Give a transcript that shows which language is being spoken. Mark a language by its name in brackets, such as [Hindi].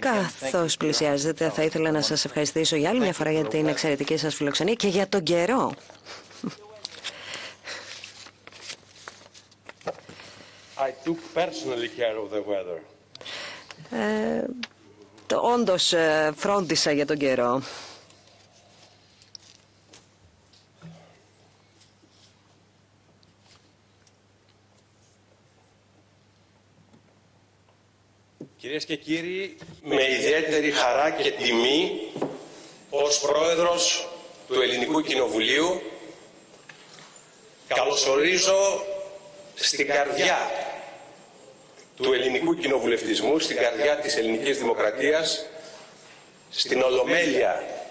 [Greek] καθώς πλησιάζετε, θα ήθελα να σας ευχαριστήσω για άλλη μια φορά για την εξαιρετική σας φιλοξενία και για τον καιρό. [English] I took personally care of the weather. [Greek] Όντως φρόντισα για τον καιρό. Κυρίες και κύριοι, με ιδιαίτερη χαρά και τιμή ως πρόεδρος του Ελληνικού Κοινοβουλίου καλωσορίζω στην καρδιά του ελληνικού κοινοβουλευτισμού, στην καρδιά της ελληνικής δημοκρατίας, στην Ολομέλεια